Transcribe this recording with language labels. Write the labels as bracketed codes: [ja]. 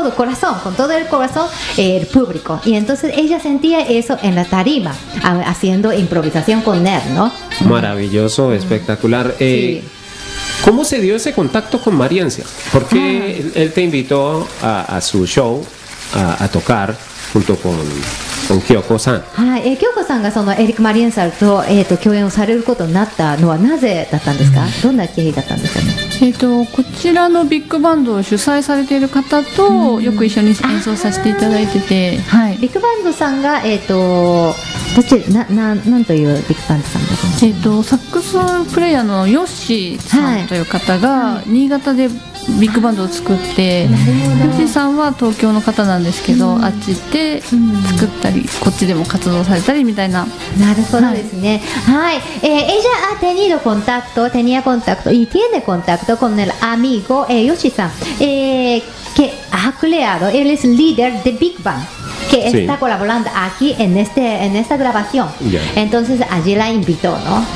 [es] todo corazón, con todo el corazón, el público. Y entonces ella sentía eso en la tarima, haciendo improvisación con Ned, ¿no? Maravilloso, espectacular. Sí. ¿Cómo se dio ese contacto con Mariencia? ¿Por qué él te invitó a su show a tocar junto con Kyoko-san? [ja] Kyoko-san がそのエリック・マリエンサルと、共演をされることになったのはなぜだったんですか？どんな経緯だったんですかね？こちらのビッグバンドを主催されている方とよく一緒に演奏させていただいてて、はい、ビッグバンドさんが、どちら、なんというビッグバンドさんですか？サックスプレイヤーのヨッシーさんという方が新潟でビッグバンドを作って、ヨッシーさんは東京の方なんですけど、あっち行って作ったり、こっちでも活動されたりみたいな。なるほどですね。 [es] はい、ella ha tenido contacto, tenía contacto y tiene contacto con el amigo, Yoshi さん、que ha creado, él es líder de Big Bang. Que está colaborando aquí en esta grabación. Entonces allí la invitó, ¿no?